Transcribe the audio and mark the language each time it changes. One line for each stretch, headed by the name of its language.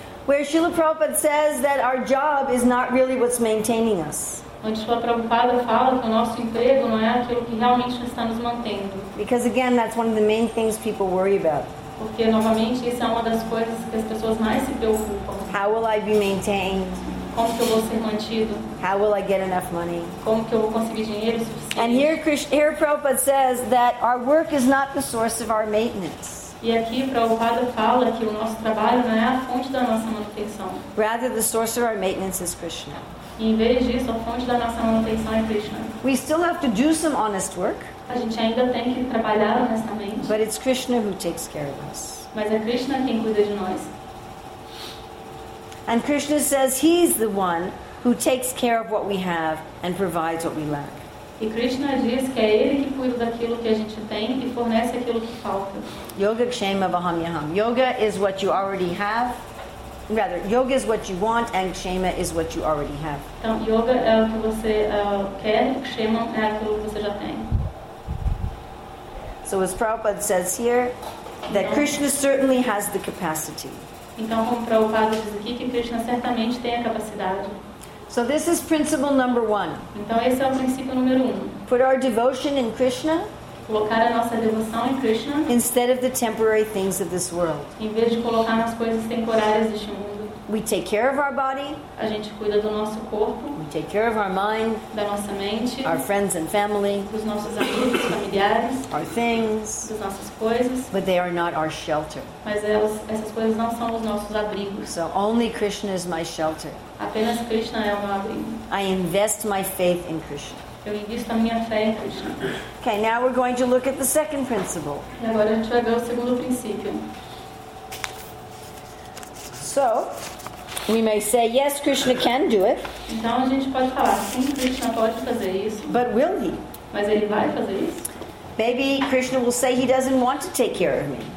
English: Where Srila Prabhupada says that our job is not really what's maintaining us.
Portuguese: Onde Srila Prabhupada fala que o nosso emprego não é aquilo que realmente está nos mantendo.
English: Because again, that's one of the main things people worry about.
Portuguese: Porque novamente isso é uma das coisas que as pessoas mais se preocupam.
English: How will I be maintained?
Portuguese: Como que eu vou ser mantido?
English: How will I get enough money?
Portuguese: Como que eu vou conseguir dinheiro suficiente?
English: And here Prabhupada says that our work is not the source of our maintenance.
Portuguese: E aqui Prabhupada fala que o nosso trabalho não é a fonte da nossa manutenção.
English: Rather, the source of our maintenance is Krishna.
Portuguese: E em vez disso, a fonte da nossa manutenção é Krishna.
English: We still have to do some honest work.
Portuguese: A gente ainda tem que trabalhar honestamente.
English: But it's Krishna who takes care of us.
Portuguese: Mas é Krishna quem cuida de nós.
English: And Krishna says he's the one who takes care of what we have and provides what we lack.
Portuguese: E Krishna diz que é ele que cuida daquilo que a gente tem e fornece aquilo que falta.
Sanskrit: Yoga kshema vahamyaham.
English: Yoga is what you already have. Rather, yoga is what you want and kshema is what you already have.
Portuguese: Então, yoga é o que você quer, kshema é aquilo que você já tem.
English: So as Prabhupada says here, that Krishna certainly has the capacity.
Portuguese: Então, como Prabhupada diz aqui, que Krishna certamente tem a capacidade.
English: So this is principle number one.
Portuguese: Então, esse é o princípio número um.
English: Put our devotion in Krishna.
Portuguese: Colocar a nossa devoção em Krishna.
English: Instead of the temporary things of this world.
Portuguese: Em vez de colocar nas coisas temporárias deste mundo.
English: We take care of our body.
Portuguese: A gente cuida do nosso corpo.
English: We take care of our mind.
Portuguese: Da nossa mente.
English: Our friends and family.
Portuguese: Dos nossos amigos, familiares.
English: Our things.
Portuguese: Das nossas coisas.
English: But they are not our shelter.
Portuguese: Mas essas coisas não são os nossos abrigos.
English: So only Krishna is my shelter.
Portuguese: Apenas Krishna é o meu abrigo.
English: I invest my faith in Krishna.
Portuguese: Eu invisto a minha fé em Krishna.
English: Okay, now we're going to look at the second principle.
Portuguese: E agora a gente vai ver o segundo princípio.
English: So, we may say, yes, Krishna can do it.
Portuguese: Então a gente pode falar, sim, Krishna pode fazer isso.
English: But will he?
Portuguese: Mas ele vai fazer isso?
English: Maybe Krishna will say he doesn't want to take care of me.